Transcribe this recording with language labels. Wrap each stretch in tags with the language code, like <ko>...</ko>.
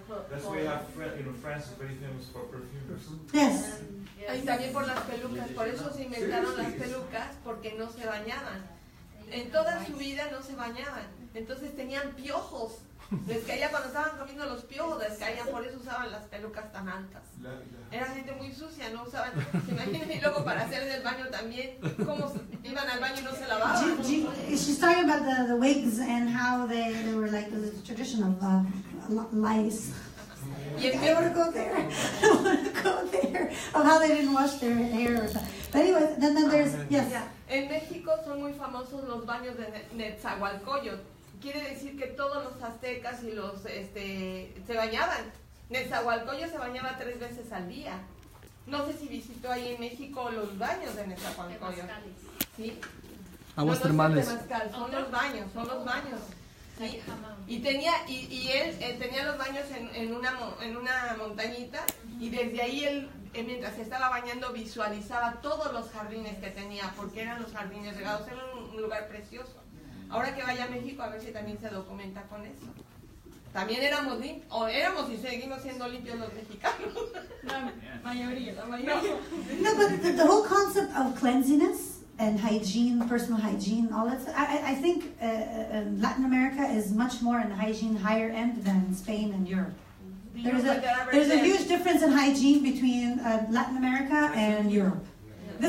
<en>That's why France is very famous for perfume. Yes.</en> <es>Y también por las pelucas. Por eso se inventaron las pelucas, porque no se bañaban. En toda su vida no se bañaban. Entonces tenían piojos. Les caía cuando estaban comiendo los piojos, les caían, por eso usaban las pelucas tan altas. Era gente muy sucia, no usaban. Imagínense, y luego para hacer el baño también, cómo iban al baño y no se lavaban.</es> <en>She's talking about the wigs and how they were like the tradition of lice. Yeah, I want to go there. Of how they didn't wash their hair or something. But anyway, then there's yes. Yeah.</en> <es>En México son muy famosos los baños de Nezahualcóyotl. Quiere decir que todos los aztecas y los se bañaban. Nezahualcóyotl se bañaba 3 veces al día. No sé si visitó ahí en México los baños de Nezahualcóyotl. Sí. Aguas no termales. Son los baños. Sí. Y él tenía los baños en una montañita, y desde ahí él, mientras estaba bañando, visualizaba todos los jardines que tenía, porque eran los jardines regados, era un lugar precioso. Ahora que vaya a México, a ver si también se documenta con eso. También éramos y seguimos siendo limpios los mexicanos. La mayoría.</es> <en>No, but the whole concept of cleanliness and hygiene, personal hygiene, all that stuff. I think Latin America is much more in the hygiene higher end than Spain and Europe. There's a huge difference in hygiene between Latin America and Europe. Yeah.</en>